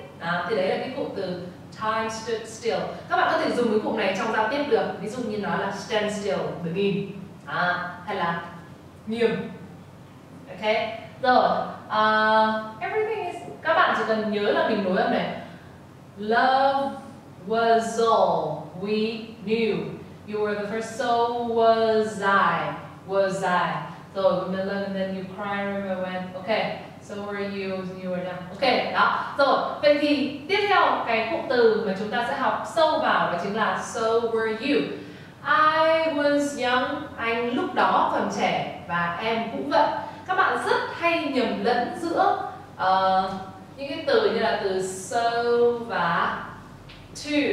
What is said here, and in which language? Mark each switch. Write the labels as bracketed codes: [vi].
[vi] Đó, thì đấy là cái cụm từ [en] time stood still. [vi] Các bạn có thể dùng cái cụm này trong giao tiếp được. Ví dụ như nói là [en] stand still, [vi] đứng im. À, hay là nghiêm. Ok. Rồi, [en] everything is, [vi] các bạn chỉ cần nhớ là mình nối âm này. [en] Love was all we knew. You were the first, so was I. Was I. So, you were love and then you cried, remember when. Ok. So were you, you were now. Ok, [vi] đó. Rồi, vậy thì tiếp theo cái cụm từ mà chúng ta sẽ học sâu vào đó chính là [en] so were you. I was young, [vi] anh lúc đó còn trẻ và em cũng vậy. Các bạn rất hay nhầm lẫn giữa những cái từ như là từ so và to.